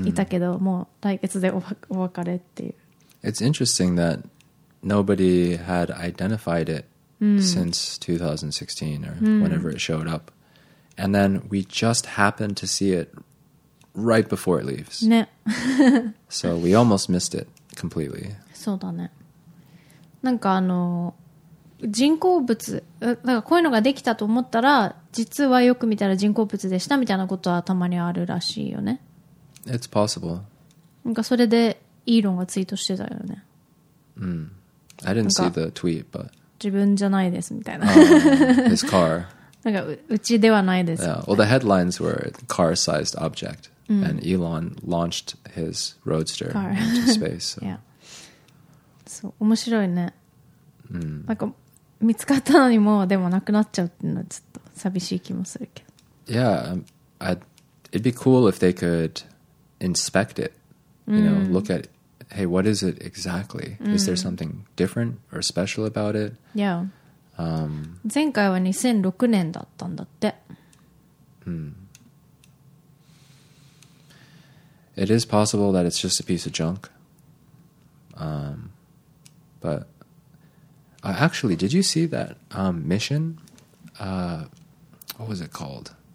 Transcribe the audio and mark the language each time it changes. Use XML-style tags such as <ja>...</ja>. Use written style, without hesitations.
<ja>そっか、だからもう3年ぐらいは一緒にいたけど、もう来月でお別れっていう。</ja> <en>It's interesting that nobody had identified it since 2016 or whenever it showed up. And then we just happened to see it right before it leaves. So we almost missed it completely.</en> <ja>そうだね。なんかあの、 人工物、なんかこういうのができたと思ったら、実はよく見たら人工物でしたみたいなことはたまにあるらしいよね。</ja> <en>It's possible.</en> <ja>なんかそれでイーロンがツイートしてたよね。</ja> <en>I didn't see the tweet, but...</en> <ja>自分じゃないですみたいな。</ja> <en>His car.</en> <ja>なんかうちではないです。</ja> <en>Well, the headlines were car-sized object. Mm. And Elon launched his roadster into space. So.</en> <ja>Yeah. そう、面白いね。なんか見つかったのにもでもなくなっちゃうっていうのはちょっと寂しい気もするけど。</ja> <en>Yeah, it'd be cool if they could inspect it. You know, look at, hey, what is it exactly? Is there something different or special about it? Yeah.</en> <ja>前回は2006年だったんだって。</ja> <en>It is possible that it's just a piece of junk. But actually, did you see that mission? What was it called?</en>